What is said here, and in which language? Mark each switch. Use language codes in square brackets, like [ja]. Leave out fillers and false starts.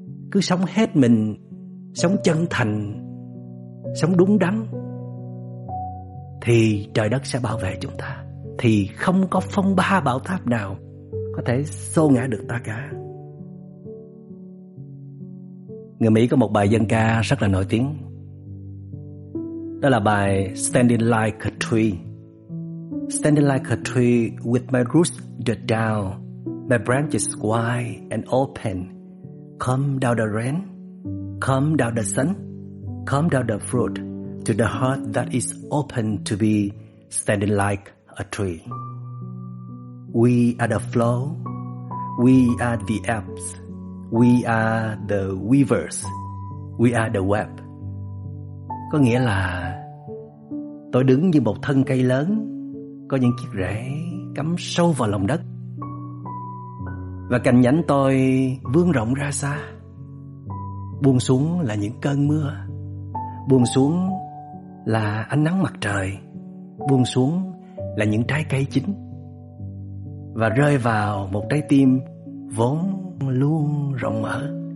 [vi] Cứ sống hết mình, sống chân thành, sống đúng đắn, thì trời đất sẽ bảo vệ chúng ta, thì không có phong ba bão táp nào có thể xô ngã được ta cả. Người Mỹ có một bài dân ca rất là nổi tiếng, đó là bài Standing Like a Tree. [en] Standing like a tree with my roots dug down, my branches wide and open. Come down the rain, come down the sun, come down the fruit to the heart that is open to be standing like a tree. We are the flow, we are the ebbs, we are the weavers, we are the web. [vi] Có nghĩa là tôi đứng như một thân cây lớn, có những chiếc rễ cắm sâu vào lòng đất, và cành nhánh tôi vươn rộng ra xa, buông xuống là những cơn mưa, buông xuống là ánh nắng mặt trời, buông xuống là những trái cây chín, và rơi vào một trái tim vốn luôn rộng mở.